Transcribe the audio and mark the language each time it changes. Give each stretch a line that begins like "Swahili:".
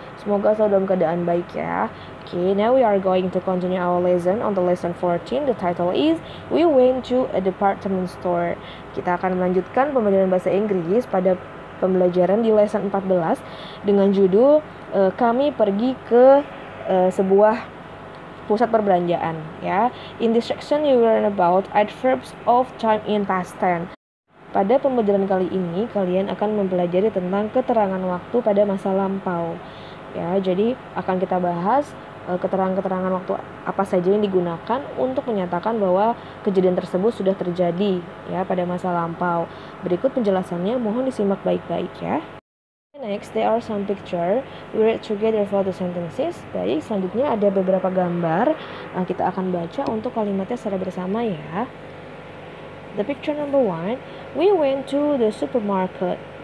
Indonesian: Semoga selalu dalam keadaan baik ya.
English: Okay, now we are going to continue our lesson on the lesson 14. The title is We Went to a Department Store.
Indonesian: Kita akan melanjutkan pembelajaran bahasa Inggris pada pembelajaran di lesson 14 dengan judul Kami Pergi ke Sebuah Pusat Perbelanjaan ya.
English: In this section you will learn about adverbs of time in past tense.
Indonesian: Pada pembelajaran kali ini, kalian akan mempelajari tentang keterangan waktu pada masa lampau. Ya, jadi akan kita bahas keterangan-keterangan waktu apa saja yang digunakan untuk menyatakan bahwa kejadian tersebut sudah terjadi ya pada masa lampau. Berikut penjelasannya, mohon disimak baik-baik ya.
English: Next, there are some picture. We read together for the sentences.
Indonesian: Baik, selanjutnya ada beberapa gambar. Kita akan baca untuk kalimatnya secara bersama ya.
English: The picture number one, we went to the supermarket.